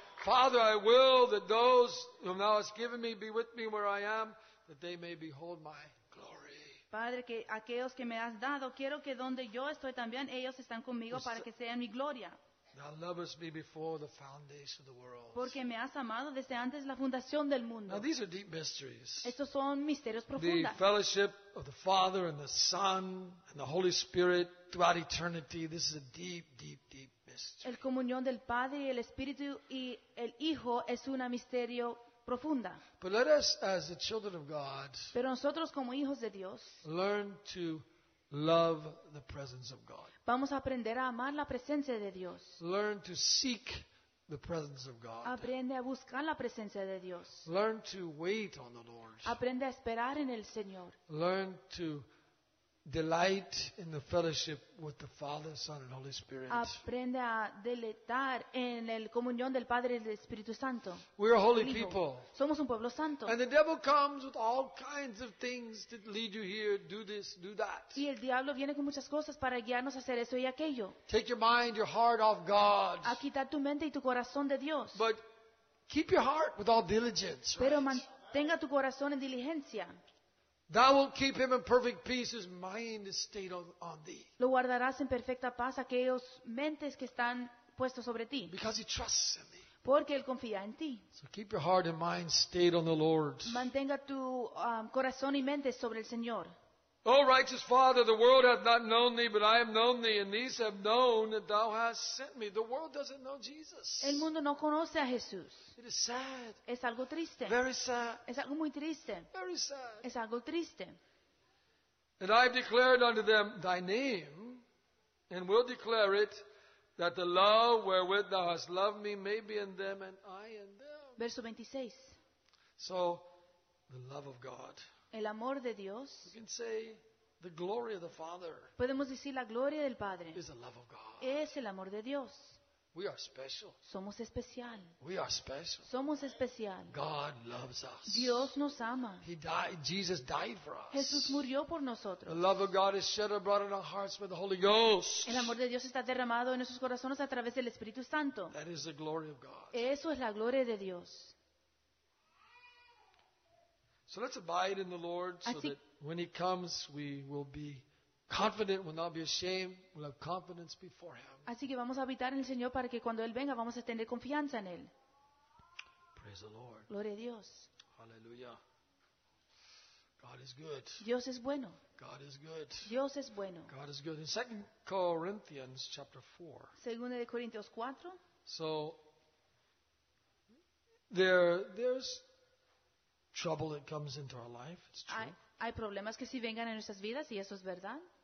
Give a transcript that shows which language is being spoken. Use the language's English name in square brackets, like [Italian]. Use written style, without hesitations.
[English] Father, I will that those whom thou hast given me be with me where I am, that they may behold my glory. [Spanish] Padre, que aquellos que me has dado, quiero que donde yo estoy también, ellos están conmigo pues para que sean mi gloria. [English] Thou lovest me before the foundation of the world. [Spanish] Porque me has amado desde antes la fundación del mundo. [English] Now these are deep mysteries. [Spanish] Estos son misterios profundos. [English] The fellowship of the Father and the Son and the Holy Spirit throughout eternity. This is a deep, deep, deep mystery. [Spanish] El comunión del Padre y el Espíritu y el Hijo es una misterio profunda. [English] But let us, as the children of God, [Spanish] pero nosotros como hijos de Dios, [English] learn to love the presence of God. [Spanish] Vamos a aprender a amar la presencia de Dios. [English] Learn to seek the presence of God. [Spanish] Aprende a buscar la presencia de Dios. [English] Learn to wait on the Lord. [Spanish] Aprende a esperar en el Señor. [English] Learn to Delight in the fellowship with the Father, Son, and Holy Spirit. [Spanish] Aprende a deleitar en el comunión del Padre y del Espíritu Santo. [English] We are holy people. [Spanish] Somos un pueblo santo. [English] And the devil comes with all kinds of things to lead you here, do this, do that. [Spanish] Y el diablo viene con muchas cosas para guiarnos a hacer eso y aquello. [English] Take your mind, your heart off God. [Spanish] A quitar tu mente y tu corazón de Dios. [English] But keep your heart with all diligence. [Spanish] Pero mantenga tu corazón en diligencia. [English] Thou wilt keep him in perfect peace whose mind is stayed on thee. [Spanish] Lo guardarás en perfecta paz aquellos mentes que están puestos sobre ti. [English] Because he trusts in thee. [Spanish] Porque él confía en ti. [English] So keep your heart and mind stayed on the Lord. [Spanish] Mantenga tu corazón y mente sobre el Señor. [English] O righteous Father, the world hath not known thee, but I have known thee, and these have known that thou hast sent me. The world doesn't know Jesus. [Spanish] El mundo no conoce a Jesús. [English] It is sad. [Spanish] Es algo triste. [English] Very sad. [Spanish] Es algo muy triste. [English] Very sad. [Spanish] Es algo triste. [English] And I have declared unto them thy name, and will declare it, that the love wherewith thou hast loved me may be in them, and I in them. [Spanish] Verso 26. [English] So, the love of God. [Spanish] El amor de Dios. [English] We can say the glory of the Father. [Spanish] Podemos decir la gloria del Padre. [English] Is the love of God. [Spanish] Es el amor de Dios. [English] We are special. [Spanish] Somos especial. [English] We are special. [Spanish] Somos especial. [English] God loves us. [Spanish] Dios nos ama. [English] He died. Jesus died for us. [Spanish] Jesús murió por nosotros. [English] The love of God is shed abroad in our hearts by the Holy Ghost. [Spanish] El amor de Dios está derramado en nuestros corazones a través del Espíritu Santo. [English] That is the glory of God. [Spanish] Eso es la gloria de Dios. [English] So let's abide in the Lord so [Spanish] así, [English] that when He comes, we will be confident, will not be ashamed, will have confidence before Him. [Spanish] Así que vamos a habitar en el Señor para que cuando Él venga, vamos a tener confianza en Él. [English] Praise the Lord. [Spanish] Gloria a Dios. [English] Hallelujah. God is good. [Spanish] Dios es bueno. [English] God is good. [Spanish] Dios es bueno. [English] God is good. In 2 Corinthians chapter 4. [Spanish] Segunda de Corintios 4. [English] So, there's trouble that comes into our life. It's true. [Spanish] Hay problemas que sí vengan en nuestras vidas y eso es verdad.